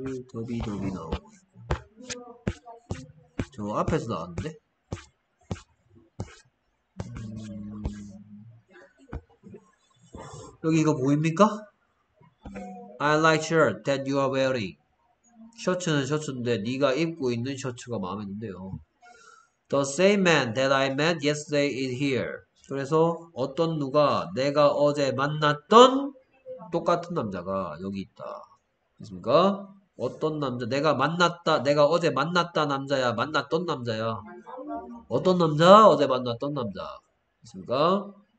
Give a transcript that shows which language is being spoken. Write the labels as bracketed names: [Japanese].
[Korean] 더비더비 나오고 저 앞에서 나왔는데 여기 이거 보입니까? [English] I like shirt that you are wearing. [Korean] 셔츠는 셔츠인데 네가 입고 있는 셔츠가 마음에 든대요. [English] The same man that I met yesterday is here. [Korean] 그래서 어떤 누가 내가 어제 만났던 똑같은 남자가 여기 있다. 됐습니까? 어떤 남자? 내가 만났다. 내가 어제 만났다 남자야. 만났던 남자야. 어떤 남자? 어제 만났던 남자. 됐습니까?